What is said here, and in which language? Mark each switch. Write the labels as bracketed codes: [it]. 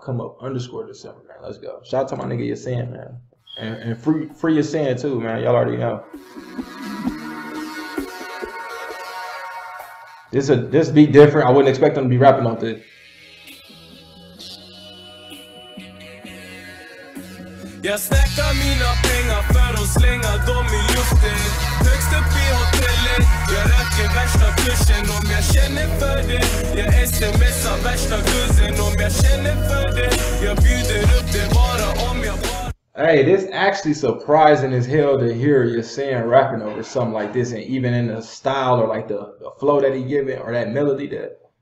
[en] Come up underscore December, man. Let's go. Shout out to my nigga Yasin, man. And free Yasin too, man. Y'all already know. This be different. I wouldn't expect them to be rapping on this. [sv] Jag snackar mina pengar för att slänga dem i luften. Högst upp i hotellet, jag röker värsta kursen. Om jag känner för det, jag smsar värsta guzzen. Om jag känner för det, jag bjuder upp det bara om jag bara. [en] Hey, this actually surprising as hell to hear Yasin rapping over something like this, and even in the style or like the flow that he give it, or that melody that.